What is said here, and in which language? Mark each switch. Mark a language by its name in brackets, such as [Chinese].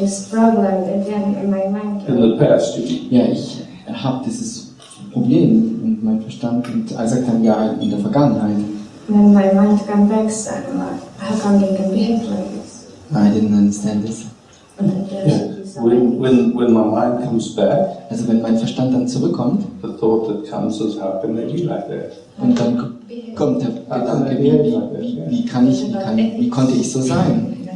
[English] Yeah, I had this problem, and then my mind. In the past, [German] ich habe dieses Problem und mein Verstand und also kann ja in der Vergangenheit. [English] When my mind comes back, so how come it can behave like this? I didn't understand this. Yeah. When my mind comes back. [German] Also wenn mein Verstand dann zurückkommt. [English] The thought that comes is how can it be like that? [German] Und dann kommt der Gedanke, wie konnte ich so sein?